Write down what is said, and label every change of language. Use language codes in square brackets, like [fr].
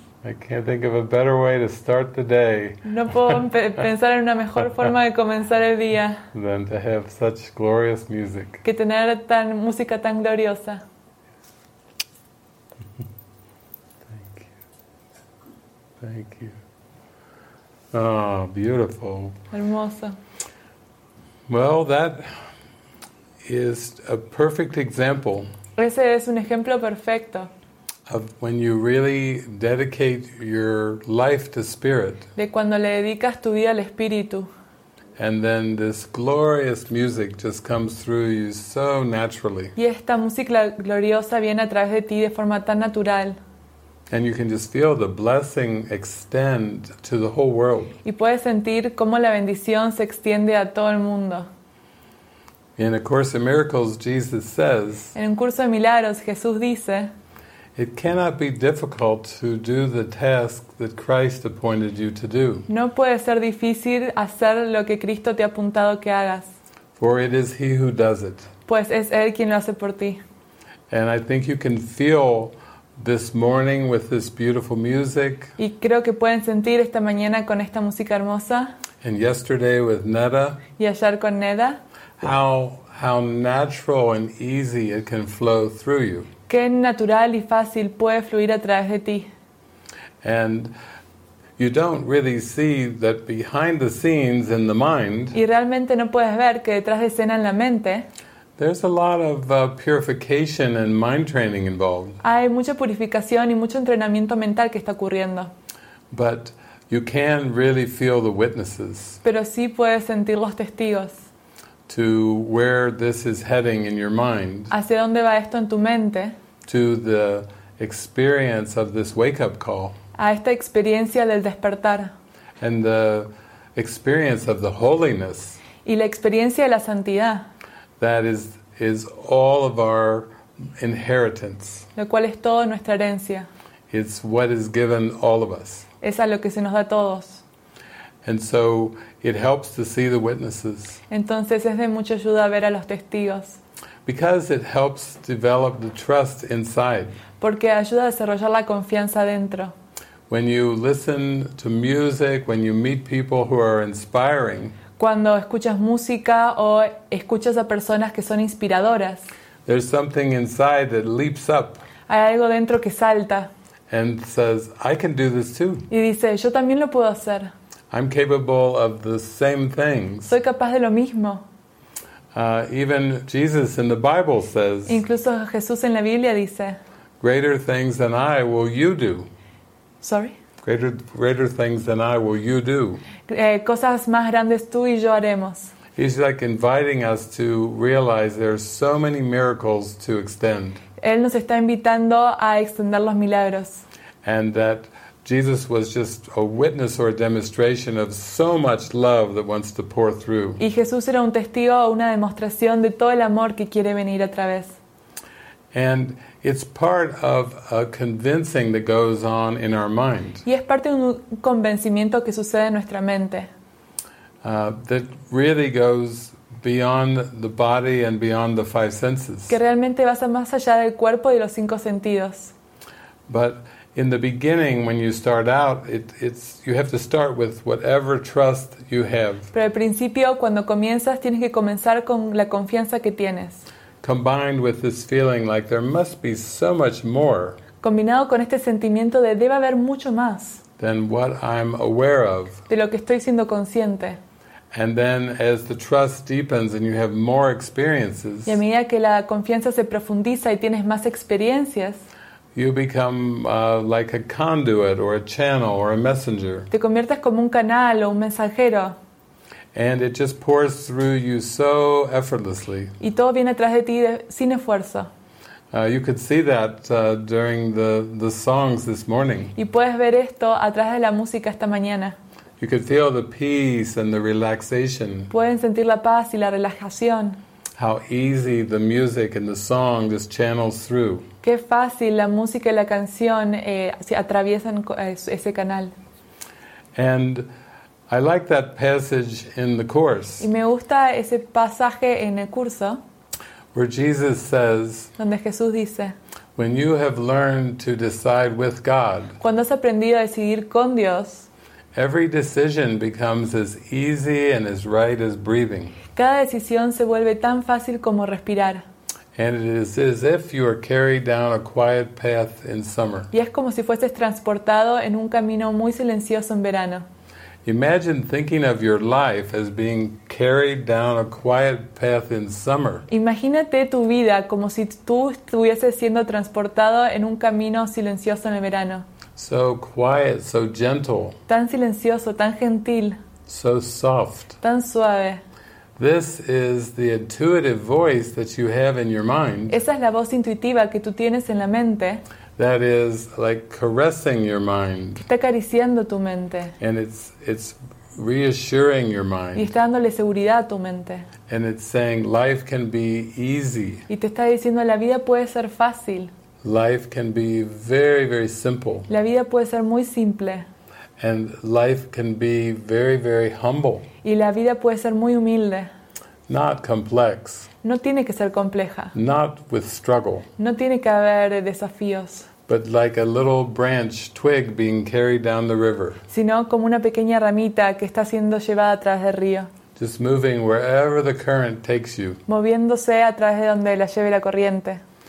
[en] I can't think of a better way to start the day. [es] No puedo pensar en una mejor forma de comenzar el día. [en] Than to have such glorious music. [es] Que tener tan música tan gloriosa. [en] Thank you. Thank you. Oh, beautiful. [es] Hermoso. [en] Well, that is a perfect example. [es] Ese es un ejemplo perfecto. [en] Of when you really dedicate your life to spirit. [es] De cuando le dedicas tu vida al espíritu. [en] And then this glorious music just comes through you so naturally. [es] Y esta música gloriosa viene a través de ti de forma tan natural. [en] And you can just feel the blessing extend to the whole world. [es] Y puedes sentir cómo la bendición se extiende a todo el mundo. [en] In A Course in Miracles, Jesus says, [es] en un curso de milagros, Jesús dice, [en] it cannot be difficult to do the task that Christ appointed you to do. [es] No puede ser difícil hacer lo que Cristo te ha apuntado que hagas. [en] For it is He who does it. [es] Pues es Él quien lo hace por ti. [en] And I think you can feel this morning with this beautiful music. [es] Y creo que pueden sentir esta mañana con esta música hermosa. [en] And yesterday with Neda. [es] Y ayer con Neda. [en] How natural and easy it can flow through you. [es] Qué natural y fácil puede fluir a través de ti. [en] And you don't really see that behind the scenes in the mind. [es] Y realmente no puedes ver que detrás de escena en la mente. [en] There's a lot of purification and mind training involved. [es] Hay mucha purificación y mucho entrenamiento mental que está ocurriendo. [en] But you can really feel the witnesses. [es] Pero sí puedes sentir los testigos. [en] To where this is heading in your mind. [es] ¿Hacia dónde va esto en tu mente? [en] To the experience of this wake-up call. [es] A esta experiencia del despertar. [en] And the experience of the holiness. [es] Y la experiencia de la santidad. [en] That is all of our inheritance. [es] Lo cual es toda nuestra herencia. [en] It's what is given all of us. [es] Es a lo que se nos da a todos. [en] And so it helps to see the witnesses. [es] Entonces es de mucha ayuda ver a los testigos. [en] Because it helps develop the trust inside. [es] Porque ayuda a desarrollar la confianza dentro. [en] When you listen to music, when you meet people who are inspiring. [es] Cuando escuchas música o escuchas a personas que son inspiradoras. [en] There's something inside that leaps up. [es] Hay algo dentro que salta. [en] And says, I can do this too. [es] Y dice, yo también lo puedo hacer. [en] I'm capable of the same things. [es] Soy capaz de lo mismo. [en] Even Jesus in the Bible says. [es] Incluso Jesús en la Biblia dice. [en] Greater things than I will you do. Sorry? Greater things than I will you do. [es] Cosas más grandes tú y yo haremos. [en] He's like inviting us to realize there are so many miracles to extend. [es] Él nos está invitando a extender los milagros. [en] And that Jesus was just a witness or a demonstration of so much love that wants to pour through. [es] Y Jesús era un testigo o una demostración de todo el amor que quiere venir a través. [en] And it's part of a convincing that goes on in our mind. [es] Y es parte de un convencimiento que sucede en nuestra mente. [en] That really goes beyond the body and beyond the five senses. [es] Que realmente va más allá del cuerpo y los cinco sentidos. [en] But in the beginning, when you start out, you have to start with whatever trust you have. [es] Pero al principio, cuando comienzas, tienes que comenzar con la confianza que tienes. [en] Combined with this feeling like there must be so much more. [es] Combinado con este sentimiento de debe haber mucho más. [en] Than what I'm aware of. [es] De lo que estoy siendo consciente. [en] And then as the trust deepens and you have more experiences. [es] Y a medida que la confianza se profundiza y tienes más experiencias. [en] You become like a conduit or a channel or a messenger. [es] Te conviertes como un canal o un mensajero. [en] And it just pours through you so effortlessly. [es] Y todo viene tras de ti sin esfuerzo. [en] You could see that during the songs this morning. [es] Y puedes ver esto a través de la música esta mañana. [en] You could feel the peace and the relaxation. [es] Pueden sentir la paz y la relajación. [en] How easy the music and the song just channels through. [es] Qué fácil la música y la canción atraviesan ese canal. [en] And I like that passage in the course. [es] Y me gusta ese pasaje en el curso. [en] Where Jesus says, [es] donde Jesús dice, [en] when you have learned to decide with God, [es] cuando has aprendido a decidir con Dios, [en] every decision becomes as easy and as right as breathing. [es] Cada decisión se vuelve tan fácil como respirar. [en] And it is as if you are carried down a quiet path in summer. [es] Y es como si fueses transportado en un camino muy silencioso en verano. [en] Imagine thinking of your life as being carried down a quiet path in summer. [es] Imagínate tu vida como si tú estuvieses siendo transportado en un camino silencioso en el verano. [en] So quiet, so gentle. [es] Tan silencioso, tan gentil. [en] So soft. [es] Tan suave. [en] This is the intuitive voice that you have in your mind. [es] Esa es la voz intuitiva que tú tienes en la mente. [en] That is like caressing your mind. [es] Está acariciando tu mente. [en] And it's reassuring your mind. [es] Y está dándole seguridad a tu mente. [en] And it's saying life can be easy. [es] Y te está diciendo la vida puede ser fácil. [en] Life can be very, very simple. [es] La vida puede ser muy simple. [en] And life can be very, very humble. [es] Y la vida puede ser muy humilde. [en] Not complex. [es] No tiene que ser compleja. [en] Not with struggle. [es] No tiene que haber desafíos. [en] But like a little branch twig being carried down the river. [es] Sino como una pequeña ramita que está siendo llevada a través del río. [en] Just moving wherever the current takes you. [es] Moviéndose a través de donde la lleve la corriente.